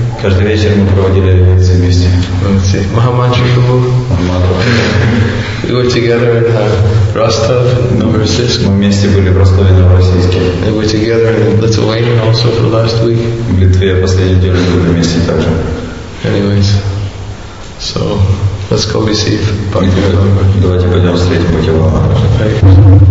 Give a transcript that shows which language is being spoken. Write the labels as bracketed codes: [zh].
[ru] Каждый вечер мы проводили лекции вместе. [en] Let's see. Mahamantra Prabhu. Mahamantra. We were together in Rostov, Novorossiysk. [ru] Мы вместе были в Ростове, Новороссийске. [en] We were together in Lithuania also for the last week. [ru] В Литве последнюю неделю мы были вместе также. [en] Anyways. So, let's go receive Bhakti [ru] Vaibhava. Давайте пойдем встретим Бхакти Вайбхава.